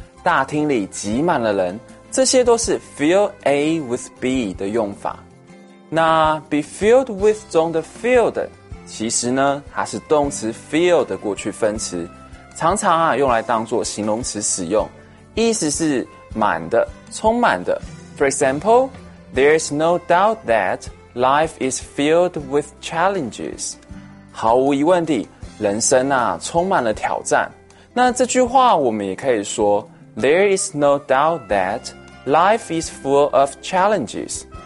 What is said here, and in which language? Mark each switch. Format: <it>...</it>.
<zh>大厅里挤满了人。这些都是 fill A with B 的用法。那 be filled with 中的 filled, 其实呢它是动词 fill 的过去分词。常常啊用来当作形容词使用，意思是满的、充满的。</zh> <en>For example, there is no doubt that life is filled with challenges.</en> <zh>毫无疑问地，人生啊充满了挑战。那这句话我们也可以说</zh> <en>There is no doubt that life is full of challenges.</en>